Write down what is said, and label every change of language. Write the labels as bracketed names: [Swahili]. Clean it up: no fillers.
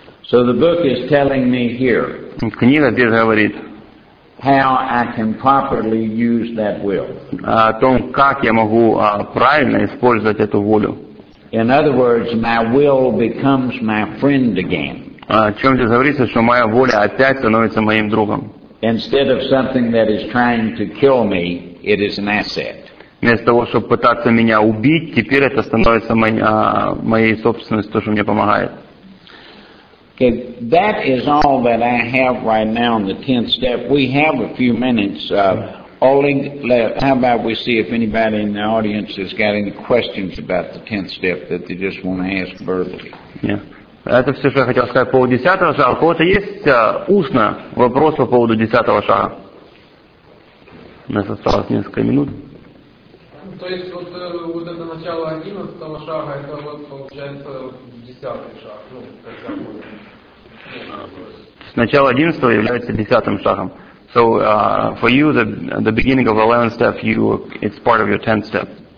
[English] So the book is telling me here. [Russian] Книга здесь говорит. [English] How I can properly use that will. [Russian] О том, как я могу правильно использовать эту волю. [English] In other words, my will becomes my friend again. [Russian] О чем здесь говорится, что моя воля опять становится моим другом. [English] Instead of something that is trying to kill me, it is an asset. [Russian] Вместо того, чтобы пытаться меня убить, теперь это становится моей собственностью, то, что мне помогает. [English] Okay, that is all that I have right now in the 10th step. We have a few minutes. Oleg, how about we see if anybody in the audience has got any questions about the 10th step that they just want to ask verbally? Yeah. [Russian] Это все, что я хотел сказать по поводу 10-го шага. У кого-то есть устно вопрос по поводу 10-го шага? У нас осталось несколько минут. То есть вот это начало 11-го шага, это вот получается 10-й шаг, ну, как я понял. Начало 11-го является 10-м шагом. [English] So for you, the beginning of 11th step, it's part of your 10th step.